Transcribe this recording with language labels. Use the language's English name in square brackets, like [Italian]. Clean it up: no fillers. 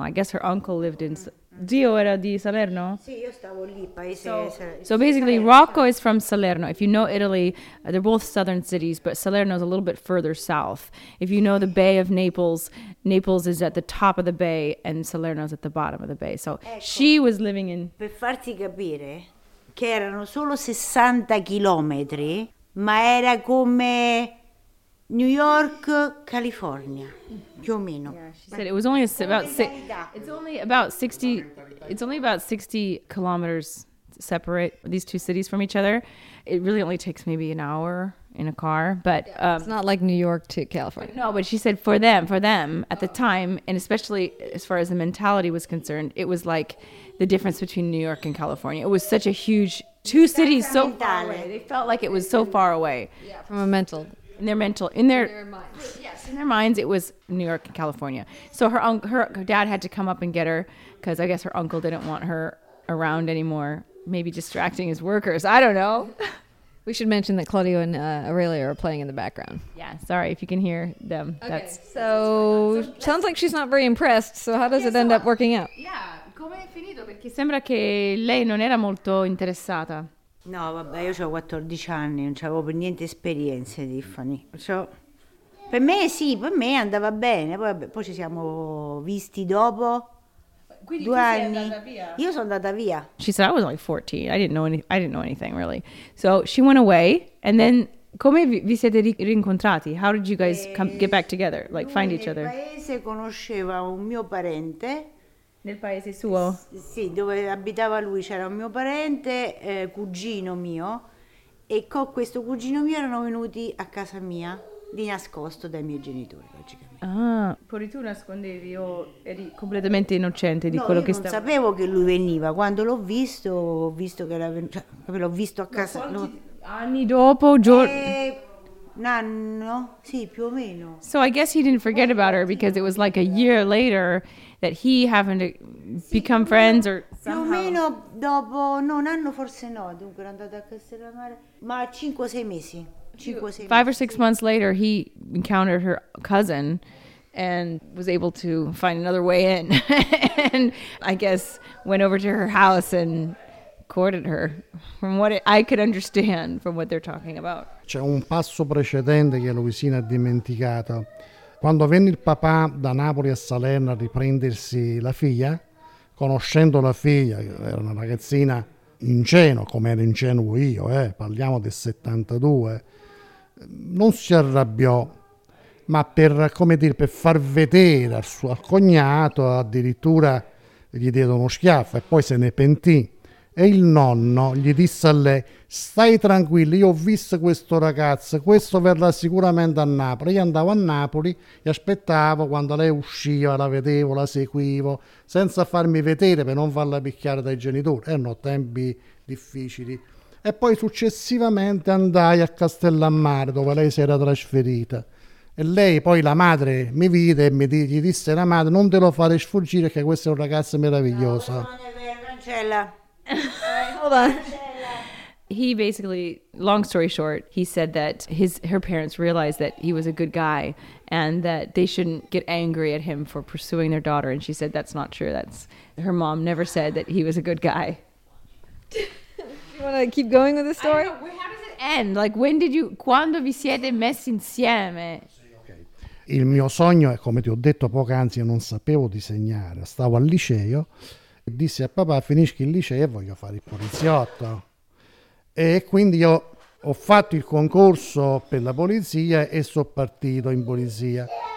[English] I guess her uncle lived in... [Italian] Dio era di Salerno? Sì, io stavo lì, paese Salerno. [English] So basically, Rocco is from Salerno. If you know Italy, they're both southern cities, but Salerno is a little bit further south. If you know the Bay of Naples, Naples is at the top of the bay and Salerno is at the bottom of the bay. So [Italian] ecco, [English] she was living in... [Italian] Per farti capire che erano solo 60 chilometri, ma era come... New York, California, più o meno. [English] Yeah, she said it was only about 60 kilometers separate these two cities from each other. It really only takes maybe an hour in a car, but it's not like New York to California. But no, but she said for them at the time, and especially as far as the mentality was concerned, it was like the difference between New York and California. It was such a huge two cities so far away. They felt like it was so far away. Yeah, from a mental. In their minds, it was New York and California. So her dad had to come up and get her because I guess her uncle didn't want her around anymore, maybe distracting his workers. I don't know. We should mention that Claudio and Aurelia are playing in the background. Yeah, sorry if you can hear them. Okay, that's sounds like she's not very impressed. So how does it end up working out? [Italian] Yeah, come è finito? Perché sembra che lei non era molto interessata. No, vabbè, io ho 14 anni, non c'avevo per niente esperienza, Tiffany. Per me sì, per me andava bene, poi ci siamo visti dopo. Quindi due anni. Sei via? Io sono andata via. [English] She said I was only 14. I didn't know anything really. So she went away and then [Italian] come vi siete rincontrati? [English] How did you guys get back together? Like [Italian] lui [English] find each other? [Italian] Nel paese conosceva un mio parente. Nel paese suo? Sì, dove abitava lui c'era un mio parente, cugino mio, e con questo cugino mio erano venuti a casa mia di nascosto dai miei genitori, logicamente. Ah, pure tu nascondevi o eri completamente innocente di quello che stava? No, io non sapevo che lui veniva. Quando l'ho visto, ho visto che era venuto, cioè, l'ho visto a casa. Ma quanti anni dopo, giorno? Un anno, sì, più o meno. [English] So I guess he didn't forget about her because it was like a year later that he happened to become friends or somehow. [Italian] Più o meno dopo, no, un anno forse no, dunque era andato a Castellammare, ma 5-6 mesi. 5-6 [English] 5 or 6 sì. months later he encountered her cousin and was able to find another way in and I guess went over to her house and courted her, from what I could understand from what they're talking about. [Italian] C'è un passo precedente che Luisina ha dimenticato. Quando venne il papà da Napoli a Salerno a riprendersi la figlia, conoscendo la figlia, era una ragazzina ingenua, come ero ingenuo io, parliamo del 72, non si arrabbiò, ma per, come dire, per far vedere al suo cognato, addirittura gli diede uno schiaffo e poi se ne pentì. E il nonno gli disse a lei: stai tranquilla, io ho visto questo ragazzo, questo verrà sicuramente a Napoli. Io andavo a Napoli e aspettavo quando lei usciva, la vedevo, la seguivo, senza farmi vedere per non farla picchiare dai genitori. Erano tempi difficili. E poi successivamente andai a Castellammare, dove lei si era trasferita. E lei, poi la madre, mi vide e gli disse: la madre, non te lo fare sfuggire, che questo è un ragazzo meraviglioso. Francella. [English] Hold on. He basically, long story short, he said that her parents realized that he was a good guy and that they shouldn't get angry at him for pursuing their daughter. And she said, that's not true. That's her mom never said that he was a good guy. Do you want to keep going with the story? How does it end? Like, when did you, [Italian] quando vi siete messi insieme? Il mio sogno è, come ti ho detto poc'anzi, non sapevo disegnare. Stavo al liceo. Disse a papà: finisci il liceo e voglio fare il poliziotto. E quindi io ho fatto il concorso per la polizia e sono partito in polizia.